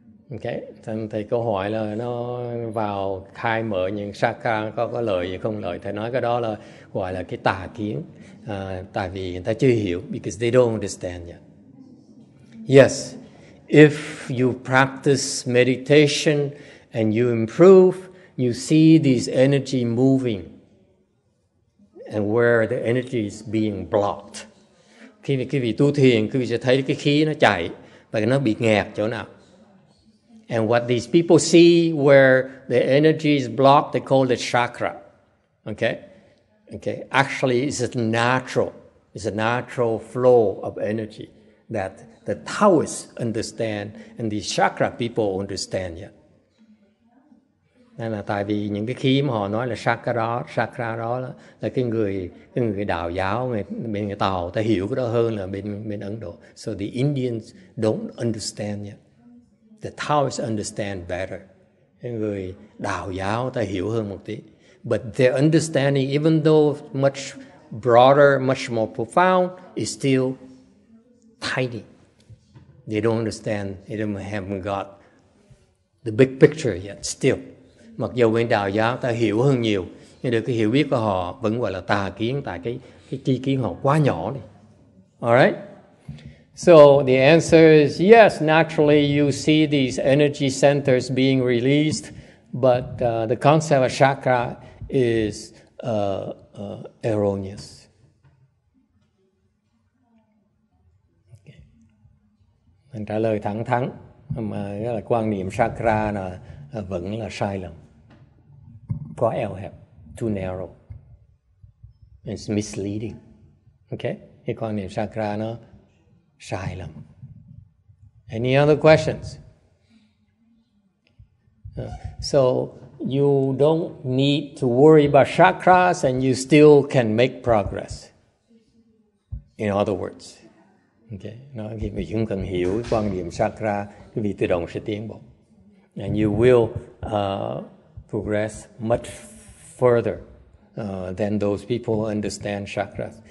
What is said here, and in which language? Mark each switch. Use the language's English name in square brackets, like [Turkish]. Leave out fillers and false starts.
[Vietnamese] Okay, thầy có hỏi là nó vào khai mở những chakra có lợi gì không lợi. Thầy nói cái đó là gọi là cái tà kiến. Tại vì người ta chưa hiểu, [English] because they don't understand yet. Yes, if you practice meditation and you improve, you see this energy moving. And where the energy is being blocked. [Vietnamese] Khi quý vị tu thiền, quý vị sẽ thấy cái khí nó chạy và nó bị nghẹt chỗ nào. [English] And what these people see where the energy is blocked, they call it chakra. Okay? Okay. Actually, it's a natural flow of energy that the Taoists understand and the chakra people understand yet. [Vietnamese] Nên là tại vì những cái khí mà họ nói là chakra đó là cái người đạo giáo, bên người Tàu ta hiểu cái đó hơn là bên Ấn Độ. [English] So the Indians don't understand yet. The Taoists understand better. [Vietnamese] Cái người đạo giáo ta hiểu hơn một tí. [English] But their understanding, even though much broader, much more profound, is still tiny. They don't understand. They haven't got the big picture yet still. [Vietnamese] Mặc dù bên đạo giáo ta hiểu hơn nhiều, nhưng được cái hiểu biết của họ vẫn gọi là tà kiến, tại cái chi kiến họ quá nhỏ đi. [English] Alright? So the answer is yes, naturally you see these energy centers being released, but the concept of chakra is erroneous. [Vietnamese] Mình trả lời thẳng thắn mà là quan niệm chakra là vẫn là sai lầm, quá eo hẹp, [English] too narrow, it's misleading, okay? [Vietnamese] Cái quan niệm chakra nó sai lầm. [English] Any other questions? So you don't need to worry about chakras, and you still can make progress. In other words. [Vietnamese] Okay, nó khi mà chúng cần hiểu quan điểm chakra, cái việc tự động sẽ tiến bộ. [English] And you will progress much further than those people who understand chakras.